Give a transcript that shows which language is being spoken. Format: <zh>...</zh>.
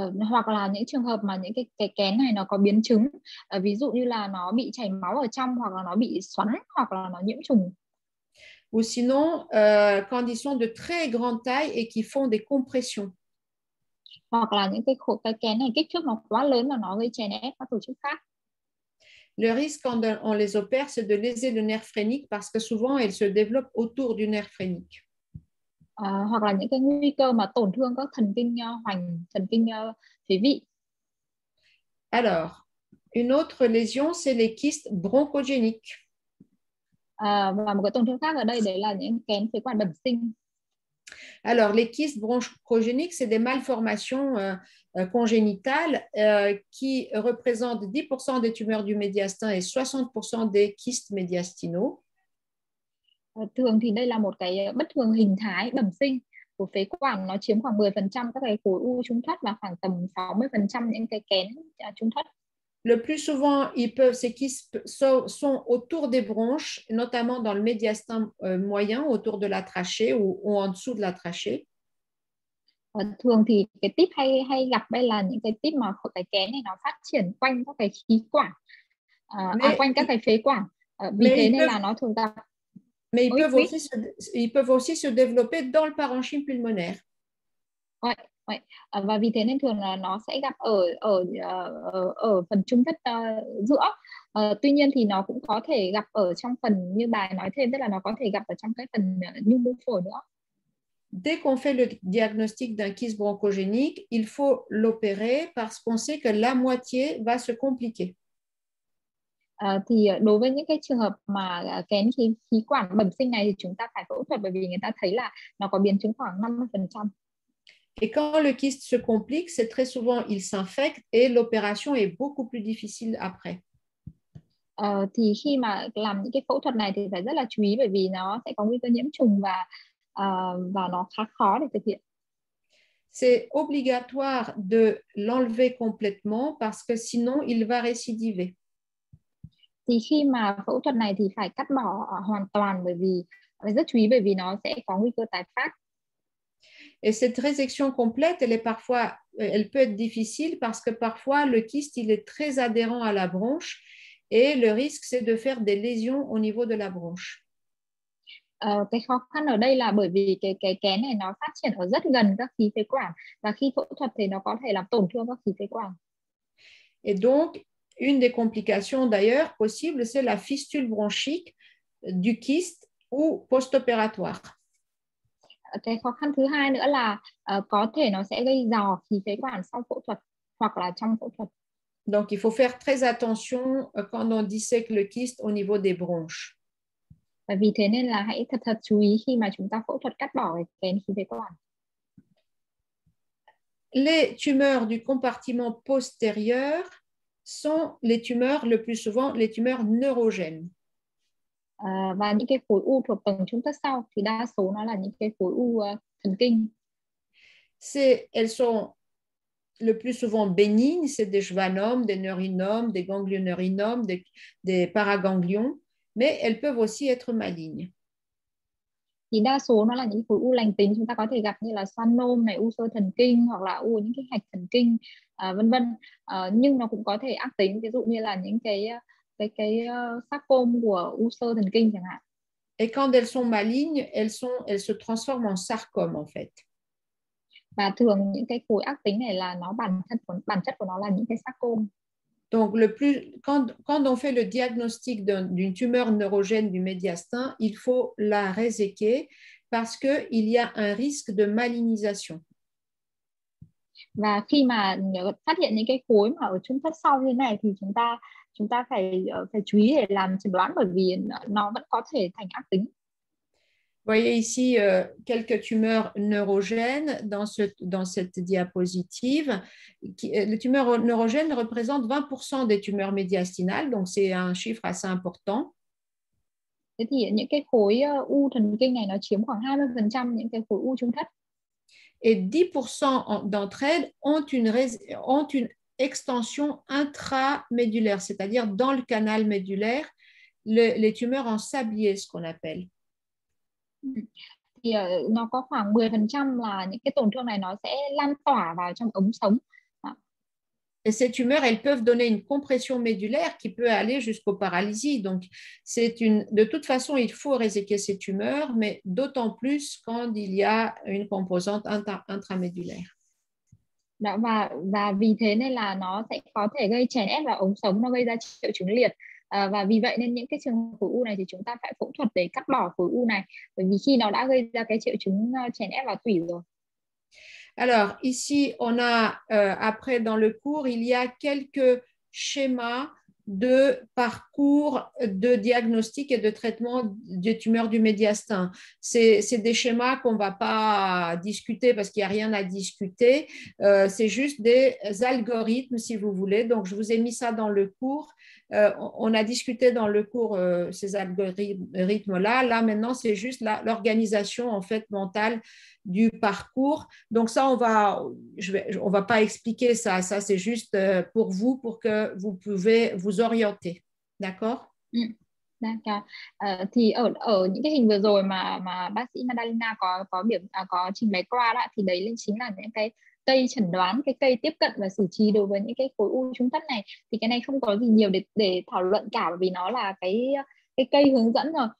<vi>Hoặc là những trường hợp mà những cái kén này nó có biến chứng, ví dụ như là nó bị chảy máu ở trong hoặc là nó bị xoắn hoặc là nó nhiễm trùng.</vi> <fr>Ou sinon, quand ils sont de très grande taille et qui font des compressions.</fr> <vi>Hoặc là những cái kén này kích thước nó quá lớn mà nó gây chèn ép các tổ chức khác.</vi> <fr>Le risque quand on les opère, c'est de léser le nerf phrénique parce que souvent, elles se développent autour du nerf phrénique.</fr> <vi>Hoặc là những cái nguy cơ mà tổn thương các thần kinh hoành, thần kinh phế vị.</vi> <fr>Alors, une autre lésion, c'est les kystes bronchogéniques.</fr> <vi>Và một cái tổn thương khác ở đây, đấy là những kén phế quản bẩm sinh.</vi> <fr>Alors, les kystes bronchogéniques, c'est des malformations congénitales qui représentent 10% des tumeurs du médiastin et 60% des kystes médiastinaux.</fr> <vi>Thường thì đây là một cái bất thường hình thái bẩm sinh của phế quản, nó chiếm khoảng 10% các cái khối u trung thất và khoảng tầm 60% những cái kén trung thất.</vi> <fr>Le plus souvent, ils peuvent, ces kystes sont autour des bronches, notamment dans le médiastin moyen, autour de la trachée ou en dessous de la trachée.</fr> <vi>Thường thì cái type hay gặp đây là những cái type mà cái kén này nó phát triển quanh các cái khí quản, quanh các cái phế quản. Vì thế nên là nó thường gặp.</vi> <fr>Mais ils peuvent aussi se développer dans le parenchyme pulmonaire. Ouais. Ouais.</fr> <vi>Và vì thế nên thường là nó sẽ gặp ở phần trung thất giữa. Tuy nhiên thì nó cũng có thể gặp ở trong phần như bài nói thêm, tức là nó có thể gặp ở trong cái phần nhu mô phổi nữa.</vi> <fr>Dès qu'on fait le diagnostic d'un kyste bronchogénique, il faut l'opérer parce qu'on sait que la moitié va se compliquer.</fr> <vi>Thì đối với những cái trường hợp mà kén khí quản bẩm sinh này thì chúng ta phải phẫu thuật bởi vì người ta thấy là nó có biến chứng khoảng 50%.</vi> <fr>Et quand le kyste se complique, c'est très souvent il s'infecte et l'opération est beaucoup plus difficile après.</fr> <vi>Thì khi mà làm những cái phẫu thuật này thì phải rất là chú ý bởi vì nó sẽ có nguy cơ nhiễm trùng và nó khá khó để thực hiện.</vi> <fr>C'est obligatoire de l'enlever complètement parce que sinon il va récidiver.</fr> <vi>Thì khi mà phẫu thuật này thì phải cắt bỏ hoàn toàn bởi vì phải rất chú ý bởi vì nó sẽ có nguy cơ tái phát.</vi> <fr>Et cette résection complète, elle peut être difficile parce que parfois le kyste il est très adhérent à la bronche et le risque c'est de faire des lésions au niveau de la bronche.</fr> <vi>Cái khó khăn ở đây là bởi vì cái kén này nó phát triển ở rất gần các khí phế quản và khi phẫu thuật thì nó có thể làm tổn thương các khí phế quản.</vi> <fr>Et donc, une des complications d'ailleurs possible, c'est la fistule bronchique du kyste ou post-opératoire.</fr> <vi>cái khó khăn thứ hai nữa là có thể nó sẽ gây rò khí phế quản sau phẫu thuật hoặc là trong phẫu thuật.</vi> <fr>Donc il faut faire très attention quand on dissèque le kyste au niveau des bronches.</fr> <vi>Vì thế nên là hãy thật thật chú ý khi mà chúng ta phẫu thuật cắt bỏ cái kén khí phế quản.</vi> <fr>Les tumeurs du compartiment postérieur sont les tumeurs le plus souvent les tumeurs neurogènes.</fr> <vi>Và những cái khối u thuộc tầng trung thất sau thì đa số nó là những cái khối u thần kinh.</vi> <fr>C'est, elles sont le plus souvent bénignes, c'est des schwannomes, des neurinomes, des ganglioneurinomes, des paraganglions, mais elles peuvent aussi être malignes.</fr> <vi>Thì đa số nó là những khối u lành tính chúng ta có thể gặp như là schwannome này, u sơ thần kinh hoặc là u những cái hạch thần kinh vân vân. Nhưng nó cũng có thể ác tính, ví dụ như là những cái sarcome của u sơ thần kinh chẳng hạn.</vi> <fr>Et quand elles sont malignes, elles se transforment en sarcome en fait.</fr> <vi>Và thường những cái khối ác tính này là nó bản chất của nó là những cái sarcome.</vi> <fr>Donc le plus quand on fait le diagnostic d'une tumeur neurogène du médiastin, il faut la réséquer parce que il y a un risque de malignisation.</fr> <vi>Và khi mà phát hiện những cái khối mà ở trung thất sau như này thì chúng ta phải chú ý để làm chẩn đoán bởi vì nó vẫn có thể thành ác tính.</vi> <fr>Voyez ici quelques tumeurs neurogènes dans cette diapositive. Les tumeurs neurogènes représentent 20% des tumeurs médiastinales, donc c'est un chiffre assez important.</fr> <vi>Thế thì những cái khối u thần kinh này nó chiếm khoảng 20% những cái khối u trung thất.</vi> <fr>Et 10% d'entre elles ont une extension intramédulaire, c'est-à-dire dans le canal médulaire, les tumeurs en sablier, ce qu'on appelle.</fr> <vi>Thì nó có khoảng 10% là những cái tổn thương này nó sẽ lan tỏa vào trong ống sống.</vi> <fr>Et ces tumeurs, elles peuvent donner une compression médulaire qui peut aller jusqu'au paralysie. Donc, c'est une. De toute façon, il faut réséquer ces tumeurs, mais d'autant plus quand il y a une composante intramédulaire.</fr> <vi>Đó, và vì thế nên là nó sẽ có thể gây chèn ép vào ống sống, nó gây ra triệu chứng liệt. Và vì vậy nên những cái trường hợp khối u này thì chúng ta phải phẫu thuật để cắt bỏ khối u này, bởi vì khi nó đã gây ra cái triệu chứng chèn ép vào tủy rồi.</vi> <fr>Alors ici on a après dans le cours il y a quelques schémas de parcours de diagnostic et de traitement des tumeurs du médiastin. C'est des schémas qu'on va pas discuter parce qu'il y a rien à discuter. C'est juste des algorithmes si vous voulez. Donc je vous ai mis ça dans le cours. On a discuté dans le cours ces algorithmes là. Là maintenant c'est juste l'organisation en fait mentale du parcours. Donc ça on va pas expliquer ça. Ça c'est juste pour vous pour que vous pouvez vous orienter. D'accord? D'accord.</fr> <vi>Thì ở những cái hình vừa rồi mà bác sĩ Madalina có trình bày qua đó thì đấy chính là những cái cây chẩn đoán, cái cây tiếp cận và xử trí đối với những cái khối u trung thất này. Thì cái này không có gì nhiều để thảo luận cả vì nó là cái cây hướng dẫn rồi.</vi>